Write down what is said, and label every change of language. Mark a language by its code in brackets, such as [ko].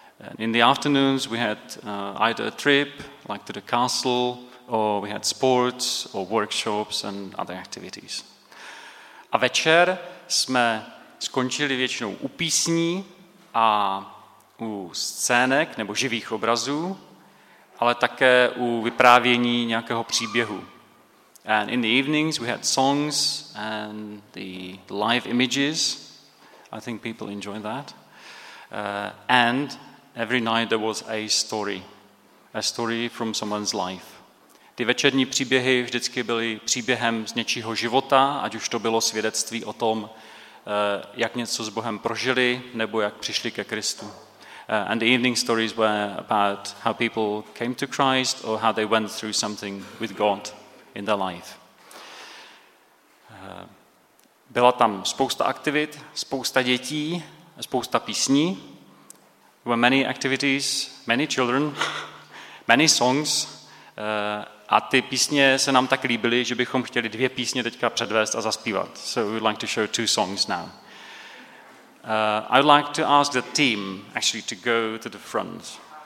[en] And in the afternoons we had either a trip, like to the castle, or we had sports, or workshops and other activities. [cs] A večer jsme skončili většinou u písní a u scének nebo živých obrazů, ale také u vyprávění nějakého příběhu. [en] And in the evenings we had songs and the live images. I think people enjoy that. And every night there was a story from someone's life. [cs] Ty večerní příběhy vždycky byly příběhem z něčího života, ať už to bylo svědectví o tom, jak něco s Bohem prožili, nebo jak přišli ke Kristu. [en] And the evening stories were about how people came to Christ or how they went through something with God in their life. [cs] Byla tam spousta aktivit, spousta dětí, spousta písní. [en] There were many activities, many children, many songs. [cs] A ty písně se nám tak líbily, že bychom chtěli dvě písně teďka předvést a zaspívat. [en] So we'd like to show two songs now. I'd like to ask the team actually to go to the front.